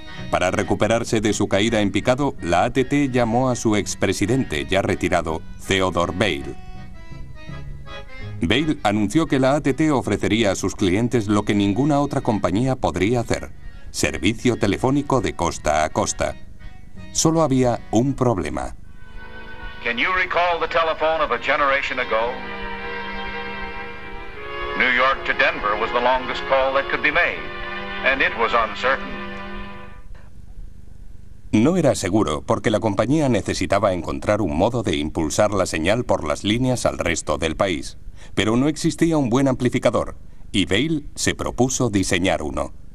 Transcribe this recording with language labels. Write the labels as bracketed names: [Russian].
[Spanish] Para recuperarse de su caída en picado, la ATT llamó a su expresidente, ya retirado, Theodore Bail. Bail anunció que la ATT ofrecería a sus clientes lo que ninguna otra compañía podría hacer: servicio telefónico de costa a costa. Solo había un problema. [English] Can you recall the telephone of a generation ago? New York to Denver was the longest call that could be made, and it was uncertain. [Spanish] No era seguro, porque la compañía necesitaba encontrar un modo de impulsar la señal por las líneas al resto del país. Pero no existía un buen amplificador, y Bail se propuso diseñar uno.